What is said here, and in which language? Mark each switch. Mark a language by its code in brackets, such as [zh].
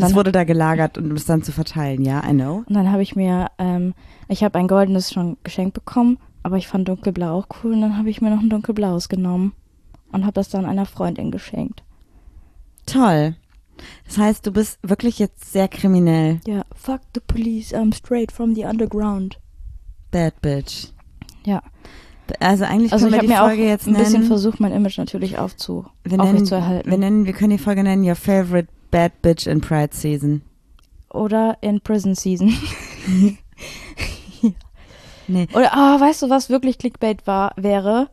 [de] das wurde da gelagert, um es dann zu verteilen, ja, [en] I know. [de] Und dann habe ich mir, ich habe ein goldenes schon geschenkt bekommen, aber ich fand dunkelblau auch cool. Und dann habe ich mir noch ein dunkelblaues genommen und habe das dann einer Freundin geschenkt. Toll. Das heißt, du bist wirklich jetzt sehr kriminell. [en] Ja, fuck the police, I'm straight from the underground. Bad bitch. [de] Ja. Also eigentlich also können wir die Folge jetzt nennen. Ein bisschen versucht, mein Image natürlich aufrechtzuerhalten. Wir können die Folge nennen, [en] your favorite bad bitch in Pride Season. [de] Oder in Prison Season. Nee. Oder, weißt du, was wirklich Clickbait wäre?